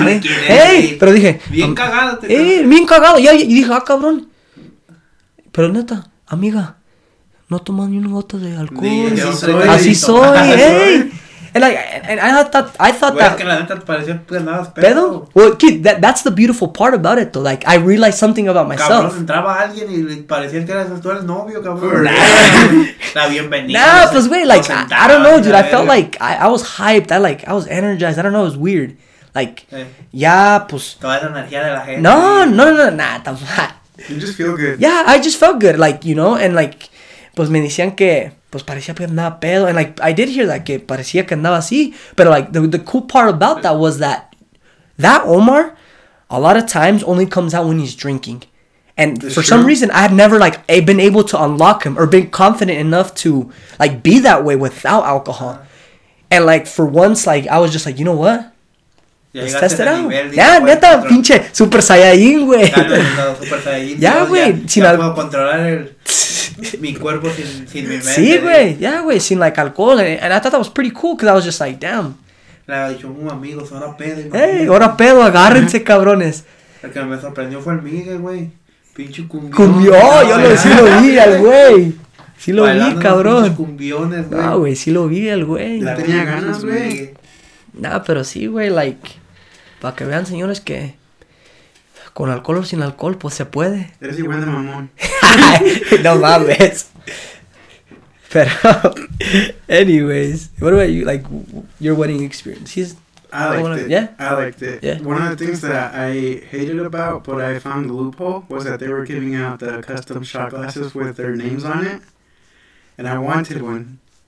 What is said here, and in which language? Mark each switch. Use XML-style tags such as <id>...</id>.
<es>ey, pero dije. Bien cagado. Bien cagado. Y dije, ah, cabrón. Pero neta, amiga, no tomas ni una gota de alcohol. Sí, así soy, ey.</es> <en>And I thought</en> <es>pues</es> <en>that.</en> <es>Es que la neta te pareció, pues, nada, pedo.</es> <en>Well, kid, that's the beautiful part about it, though. Like, I realized something about myself.</en> <es>Cabrón, entraba alguien y parecía que eras tú el novio, cabrón. La bienvenida.</es> <en>Nah,</en> <es>no, pues, güey,</es> <en>like, I don't know, dude. I felt like I was hyped. I was energized. I don't know. It was weird. Like, yeah, pues.</en> <es>Toda esa energía de la gente. No, nah.</es> <en>You just feel good. Yeah, I just felt good. Like, you know, and like,</en> <es>pues me decían que. Pues parecía que andaba pedo.</es> <en>And like, I did hear that,</en> <es>que parecía que andaba así.</es> <en>But like, the cool part about that was that Omar, a lot of times, only comes out when he's drinking. And for true. Some reason, I've never like been able to unlock him or been confident enough to like be that way without alcohol. And like, for once, like, I was just like, you know what? Ya let's test it out.</en> <es>Ya, yeah, neta, control. Pinche Super Saiyajin, güey. Ya, güey. Ya puedo controlar mi cuerpo sin mi mente. Sí, güey. Ya, güey. Sin, like, alcohol.</es> <en>And I thought that was pretty cool because I was just like, damn.</en> <es>Le había dicho un amigo, ahora pedo. Hey, ahora pedo, agárrense, cabrones. El que me sorprendió fue el Miguel, güey. Pinche cumbión. Yo sí lo vi, güey. Sí lo vi, cabrón. Pinche cumbiones, güey. Ah, güey, sí lo vi, el güey. Ya tenía ganas, güey. Nah, pero sí, güey, like, para que vean, señores, que con alcohol o sin alcohol, pues, se puede. Eres igual de mamón. No mames.</es> <en>Pero, anyways, what about you, like, your wedding experience? I liked it. One of the things that I hated about, but I found the loophole, was that they were giving out the custom shot glasses with their names on it, and I wanted one.</en>